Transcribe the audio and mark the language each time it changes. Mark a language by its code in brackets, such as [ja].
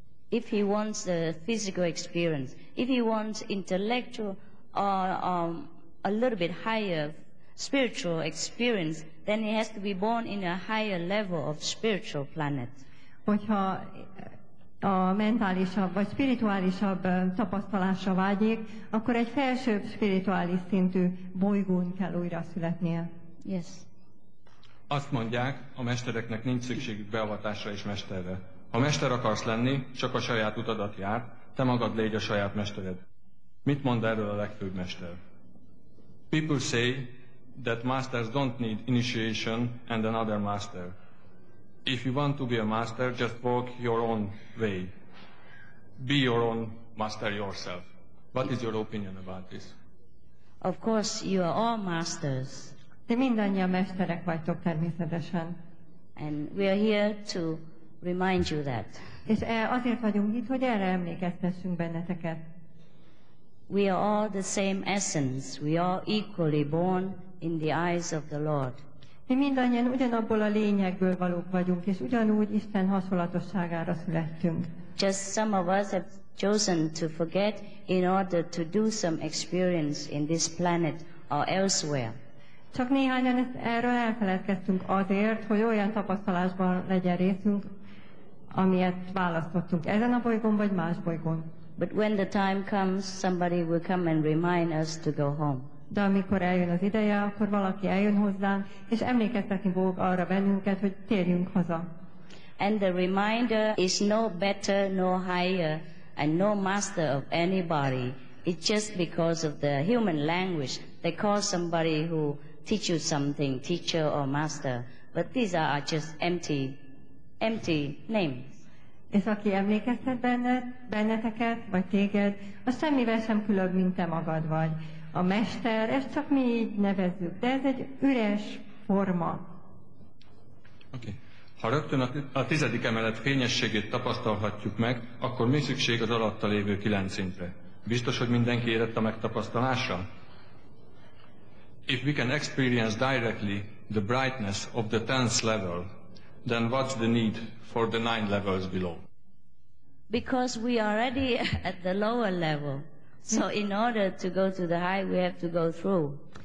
[en] If he wants the physical experience, if he wants intellectual or a little bit higher spiritual experience, then he has to be born in a higher level of spiritual planet. [hu] Hogyha a mentálisabb vagy spirituálisabb tapasztalásra vágyik, akkor egy felsőbb spirituális szintű bolygón kell újra születnie. [en] Yes. [hu] Azt mondják, a mestereknek nincs szükségük beavatásra és mesterre. Ha mester akarsz lenni, csak a saját utadat jár, te magad légy a saját mestered. Mit mond erről a legfőbb mester? [en] People say that masters don't need initiation and another master. If you want to be a master, just walk your own way. Be your own master yourself. What is your opinion about this? Of course, you are all masters. [hu] Ti mindannyian mesterek vagytok természetesen. [en] And we are here to remind you that. [hu] És azért vagyunk itt, hogy erre emlékeztessünk benneteket. [en] We are all the same essence. We are equally born in the eyes of the Lord. [hu] Mi mindannyian ugyanabból a lényegből valók vagyunk, és ugyanúgy Isten hasonlatosságára születtünk. [en] Just some of us have chosen to forget in order to do some experience in this planet or elsewhere. [hu] Csak néhányan erről elfeledkeztünk azért, hogy olyan tapasztalásban legyen részünk, amilyet választottunk ezen a bolygón vagy más bolygón. [en] But when the time comes, somebody will come and remind us to go home. De amikor eljön az ideje, akkor valaki eljön hozzánk, és emlékeztetni fog arra bennünket, hogy térjünk haza. And the reminder is no better, no higher, and no master of anybody. It's just because of the human language. They call somebody who teach you something, teacher or master. But these are just empty names. [hu] És aki emlékeztet benneteket, vagy téged, az semmivel sem különb, mint te magad vagy. A mester, ezt csak mi így nevezzük, de ez egy üres forma. [en] Okay. [hu] Ha rögtön a tizedik emelet fényességét tapasztalhatjuk meg, akkor mi szükség az alatta lévő kilenc szintre? Biztos, hogy mindenki érett a megtapasztalásra? [en] If we can experience directly the brightness of the tenth level, then what's the need for the nine levels below? Because we are already at the lower level. So in order to go to the high, we have to go through.